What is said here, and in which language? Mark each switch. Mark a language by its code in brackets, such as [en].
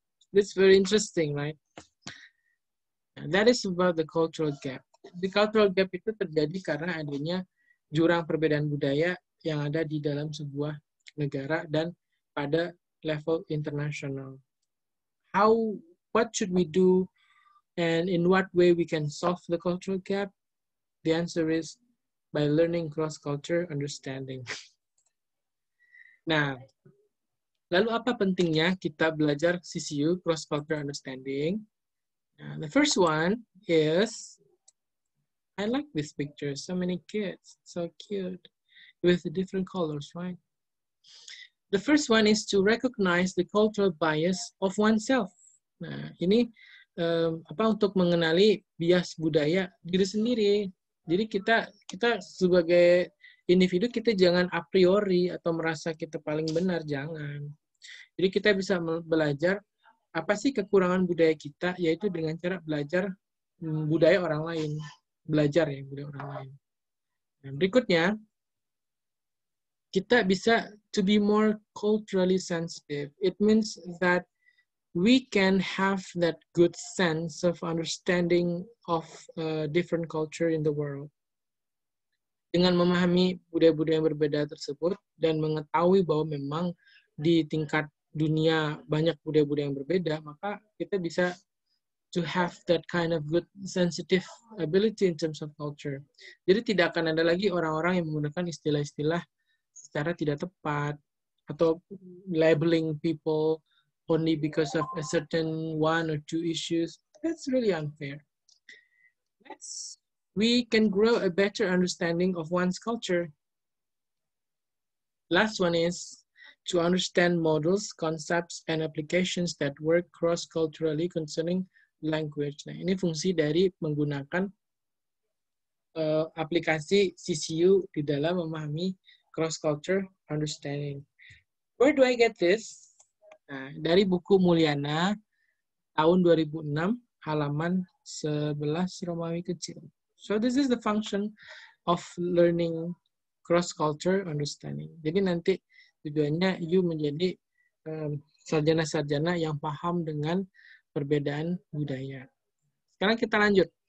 [en] That's very interesting, right? That is about the cultural gap. The cultural gap [id] itu terjadi karena adanya jurang perbedaan budaya yang ada di dalam sebuah negara dan pada level internasional. [en] What should we do? And in what way we can solve the cultural gap? The answer is by learning cross-culture understanding. [id] Nah, lalu apa pentingnya kita belajar CCU, cross-culture understanding? [en] The first one is, I like this picture, so many kids, so cute, with the different colors, right? The first one is to recognize the cultural bias of oneself. [id] Nah, ini untuk mengenali bias budaya diri sendiri. Jadi kita sebagai individu, kita jangan a priori atau merasa kita paling benar, jangan. Jadi kita bisa belajar apa sih kekurangan budaya kita, yaitu dengan cara belajar budaya orang lain. Belajar ya, budaya orang lain. Dan berikutnya, kita bisa [en] to be more culturally sensitive. It means that we can have that good sense of understanding of different culture in the world. [id] Dengan memahami budaya-budaya yang berbeda tersebut dan mengetahui bahwa memang di tingkat dunia banyak budaya-budaya yang berbeda, maka kita bisa [en] to have that kind of good sensitive ability in terms of culture. [id] Jadi tidak akan ada lagi orang-orang yang menggunakan istilah-istilah secara tidak tepat atau [en] labeling people only because of a certain one or two issues. That's really unfair. Let's we can grow a better understanding of one's culture. Last one is to understand models, concepts, and applications that work cross-culturally concerning language. [id] Nah, ini fungsi dari menggunakan aplikasi CCU di dalam memahami cross-culture understanding. [en] Where do I get this? [id] Nah, dari buku Mulyana tahun 2006, halaman 11 Romawi kecil. [en] So this is the function of learning cross-culture understanding. [id] Jadi nanti tujuannya you menjadi sarjana-sarjana yang paham dengan perbedaan budaya. Sekarang kita lanjut.